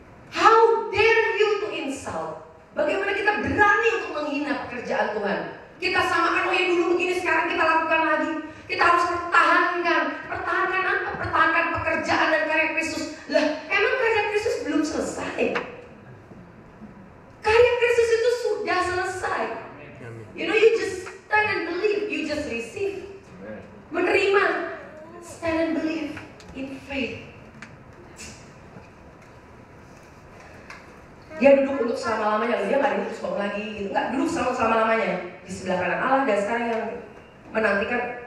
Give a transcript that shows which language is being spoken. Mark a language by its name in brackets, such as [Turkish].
[English] How dare you to insult? [Indonesian] Bagaimana kita berani untuk menghina pekerjaan Tuhan? Kita samakan, oh ya dulu begini, sekarang kita lakukan lagi. Kita harus pertahankan. Pertahankan apa? Pertahankan pekerjaan dan karya Kristus. Lah, emang karya Kristus belum selesai? Karya Kristus itu sudah selesai. [English] You know, you just stand and believe. You just receive. [Indonesian] Menerima. [English] Stand and believe in faith. [Indonesian] Dia duduk untuk selama-lamanya. Dia gak duduk sebab lagi. Enggak, duduk selama-lamanya. Di sebelah kanan Allah. Dan sekarang yang menantikan.